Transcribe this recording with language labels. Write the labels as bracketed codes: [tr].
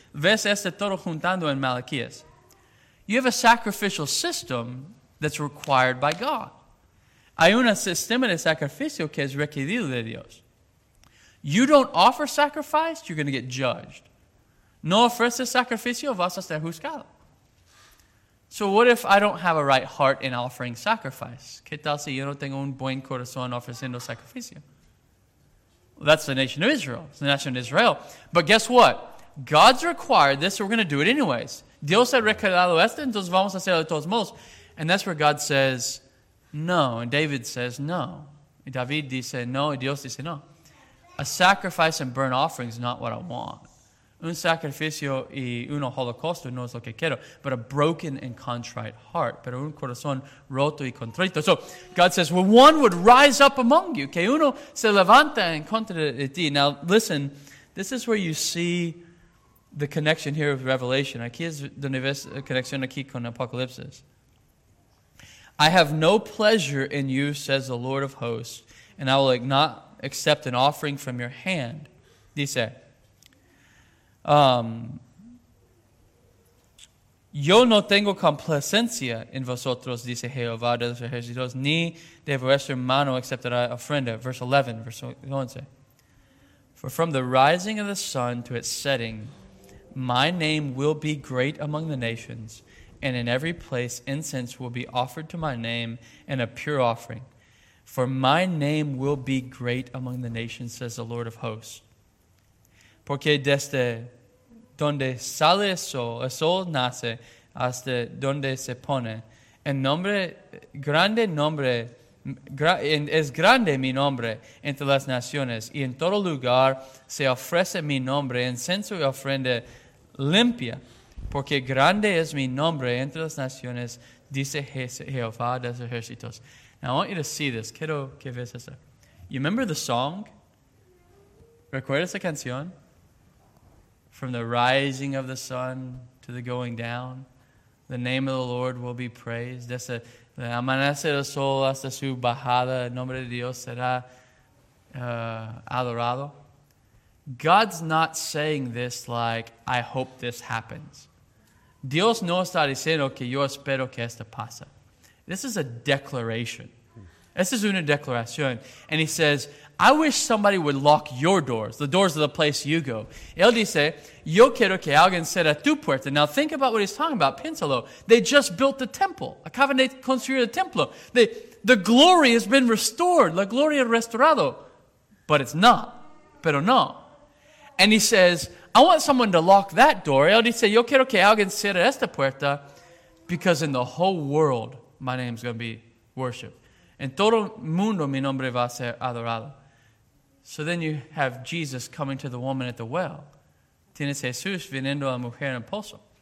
[es] Ves este todo juntando en Malaquías. [en] You have a sacrificial system that's required by God. [es] Hay un sistema de sacrificio que es requerido de Dios. [en] You don't offer sacrifice, you're going to get judged. [es] No ofreces sacrificio, vas a ser juzgado. [en] So what if I don't have a right heart in offering sacrifice? [es] ¿Qué tal si yo no tengo un buen corazón ofreciendo sacrificio? [en] Well, that's the nation of Israel. It's the nation of Israel. But guess what? God's required this, so we're going to do it anyways. [es] Dios ha requerido esto, entonces vamos a hacerlo de todos modos. [en] And that's where God says no, and David says no. [es] Y David dice no, y Dios dice no. [en] A sacrifice and burnt offering is not what I want. [es] Un sacrificio y un holocausto no es lo que quiero, [en] but a broken and contrite heart, [es] pero un corazón roto y contrito. [en] So God says, well, one would rise up among you, [es] que uno se levanta en contra de ti. [en] Now listen, this is where you see the connection here with Revelation. [es] Aquí es donde ves la conexión aquí con Apocalipsis. [en] I have no pleasure in you, says the Lord of hosts, and I will not accept an offering from your hand, dice. [es] Yo no tengo complacencia en vosotros, dice Jehová de los ejércitos, ni de vuestra mano aceptará ofrenda. [en] Verse 11, verse 11. For from the rising of the sun to its setting, my name will be great among the nations, and in every place incense will be offered to my name and a pure offering. For my name will be great among the nations, says the Lord of hosts. [es] Porque desde donde sale el sol nace hasta donde se pone. En nombre, grande nombre, es grande mi nombre entre las naciones. Y en todo lugar se ofrece mi nombre, incenso y ofrenda limpia. Porque grande es mi nombre entre las naciones, dice Jehová de los ejércitos. [en] Now I want you to see this. [es] Quiero que veas esto. [en] You remember the song? [es] ¿Recuerdas la canción? [en] From the rising of the sun to the going down, the name of the Lord will be praised. [es] Desde el amanecer del sol hasta su bajada, el nombre de Dios será adorado. [en] God's not saying this like, I hope this happens. [es] Dios no está diciendo que yo espero que esto pase. [en] This is a declaration. [es] Esta es una declaración. [en] And he says, I wish somebody would lock your doors, the doors of the place you go. [es] Él dice, yo quiero que alguien cierre tu puerta. [en] Now think about what he's talking about. [es] Piénsalo. [en] They just built the temple. [es] Acaban de construir el templo. [en] The glory has been restored. [es] La gloria restaurado. [en] But it's not. [es] Pero no. [en] And he says, I want someone to lock that door. [es] Él dice, yo quiero que alguien cierre esta puerta. [en] Because in the whole world, my name's going to be worshipped. [es] En todo mundo, mi nombre va a ser adorado. [en] So then you have Jesus coming to the woman at the well. [es] Tienes Jesús viniendo a la mujer en el pozo.